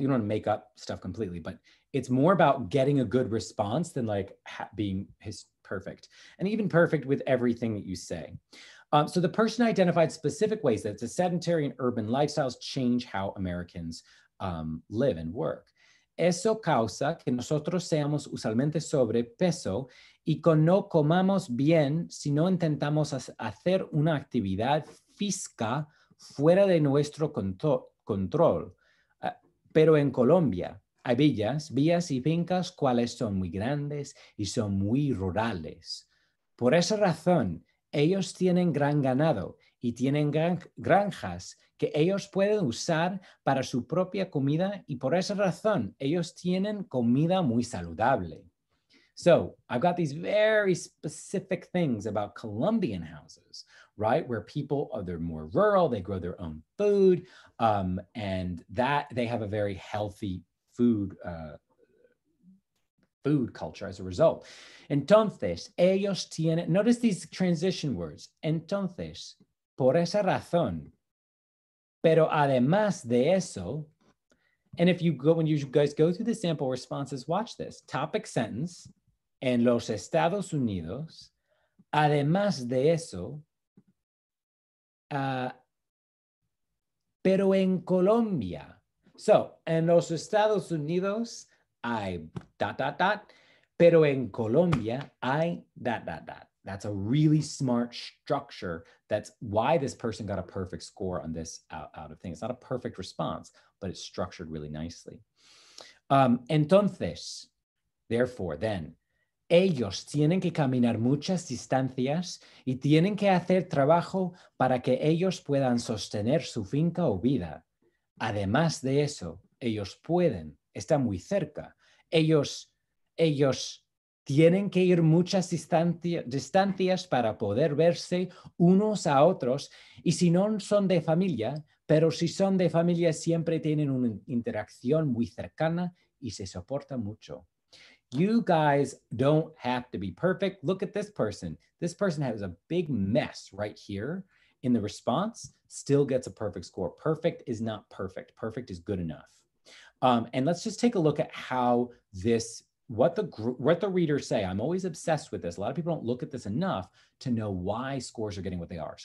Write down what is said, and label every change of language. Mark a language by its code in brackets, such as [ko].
[en] You don't want to make up stuff completely, but it's more about getting a good response than like being perfect. And even perfect with everything that you say. So the person identified specific ways that the sedentary and urban lifestyles change how Americans live and work. [es] Eso causa que nosotros seamos usualmente sobrepeso y que no comamos bien si no intentamos hacer una actividad física fuera de nuestro control. Pero en Colombia hay villas y fincas cuales son muy grandes y son muy rurales. Por esa razón, ellos tienen gran ganado y tienen granjas que ellos pueden usar para su propia comida, y por esa razón, ellos tienen comida muy saludable. [en] So, I've got these very specific things about Colombian houses, right? Where people are, they're more rural, they grow their own food, and that they have a very healthy food culture as a result. [es] Entonces, ellos tienen, [en] notice these transition words. [es] Entonces, por esa razón, pero además de eso, [en] and if you go, when you guys go through the sample responses, watch this. Topic sentence, [es] en los Estados Unidos, además de eso, pero en Colombia. So, en los Estados Unidos, hay dot, dot, dot, pero en Colombia, hay dot, dot, dot. [en] That's a really smart structure. That's why this person got a perfect score on this out of thing. It's not a perfect response, but it's structured really nicely. [es] Entonces, [en] therefore, then, [es] ellos tienen que caminar muchas distancias y tienen que hacer trabajo para que ellos puedan sostener su finca o vida. Además de eso, ellos pueden, están muy cerca. Ellos tienen que ir muchas distancias para poder verse unos a otros. Y si no son de familia, pero si son de familia, siempre tienen una interacción muy cercana y se soporta mucho. [en] You guys don't have to be perfect. Look at this person. This person has a big mess right here in the response, still gets a perfect score. Perfect is not perfect. Perfect is good enough. And let's just take a look at how this, what the readers say. I'm always obsessed with this. A lot of people don't look at this enough to know why scores are getting what they are.